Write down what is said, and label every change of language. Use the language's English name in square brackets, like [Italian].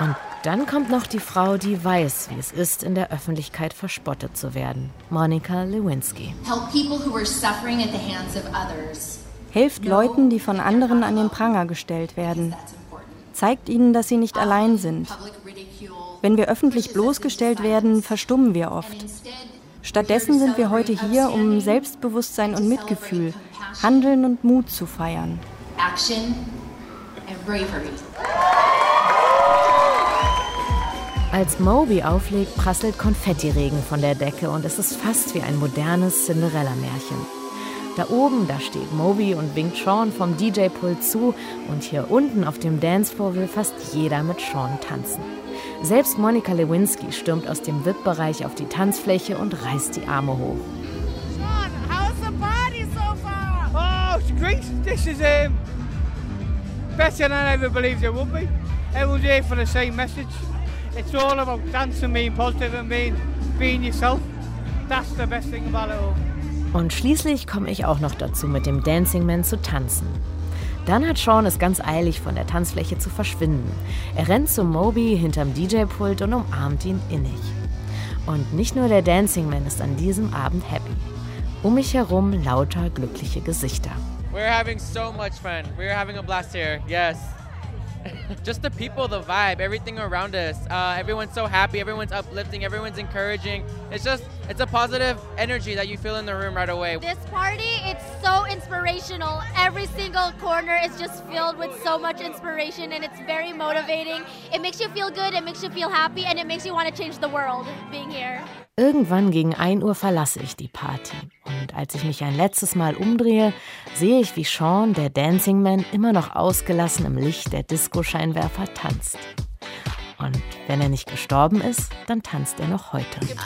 [German] Und dann kommt noch die Frau, die weiß, wie es ist, in der Öffentlichkeit verspottet zu werden. Monica Lewinsky. [English] Help people who are suffering at the hands of others. [German] Helft Leuten, die von anderen an den Pranger gestellt werden. Zeigt ihnen, dass sie nicht allein sind. Wenn wir öffentlich bloßgestellt werden, verstummen wir oft. Stattdessen sind wir heute hier, um Selbstbewusstsein und Mitgefühl, Handeln und Mut zu feiern. [English] Action and bravery. [German] Als Moby auflegt, prasselt Konfettiregen von der Decke und es ist fast wie ein modernes Cinderella-Märchen. Da oben, da steht Moby und winkt Sean vom DJ-Pult zu und hier unten auf dem Dancefloor will fast jeder mit Sean tanzen. Selbst Monica Lewinsky stürmt aus dem VIP-Bereich auf die Tanzfläche und reißt die Arme hoch. [English] Sean, how's the party so far? Oh, it's great. This is better than I ever believed it would be. Everyone's here for the same message. It's all about dancing, being positive and being yourself. That's the best thing about it all. [German] Und schließlich komme ich auch noch dazu, mit dem Dancing Man zu tanzen. Dann hat Sean es ganz eilig, von der Tanzfläche zu verschwinden. Er rennt zu Moby hinterm DJ-Pult und umarmt ihn innig. Und nicht nur der Dancing Man ist an diesem Abend happy. Um mich herum lauter glückliche Gesichter. [English] We're having so much fun. We're having a blast here. Yes. Just the people, the vibe, everything around us. Everyone's so happy, everyone's uplifting, everyone's encouraging. It's a positive energy that you feel in the room right away. This party, it's so inspirational. Every single corner is just filled with so much inspiration and it's very motivating. It makes you feel good, it makes you feel happy, and it makes you want to change the world being here. [German] Irgendwann gegen 1 Uhr verlasse ich die Party. Und als ich mich ein letztes Mal umdrehe, sehe ich, wie Sean, der Dancing Man, immer noch ausgelassen im Licht der Disco-Scheinwerfer tanzt. Und wenn er nicht gestorben ist, dann tanzt er noch heute.